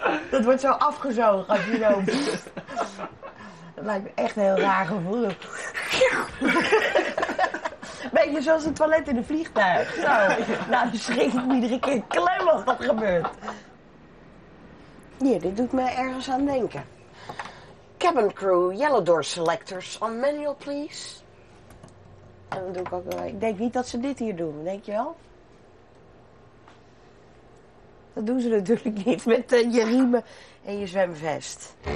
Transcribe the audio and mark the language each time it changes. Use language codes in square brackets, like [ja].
[nl] Dat wordt zo afgezogen als je zo... Dat lijkt me echt een heel raar gevoel. Beetje zoals een toilet in een vliegtuig. Zo. Nou, dan schrik ik iedere keer klem als dat gebeurt. Hier, dit doet me ergens aan denken. [en] Cabin crew, yellow door selectors, on manual please. [nl] En dan doe ik ook wel. Ik denk niet dat ze dit hier doen, denk je wel? Dat doen ze natuurlijk niet met je riemen en je zwemvest.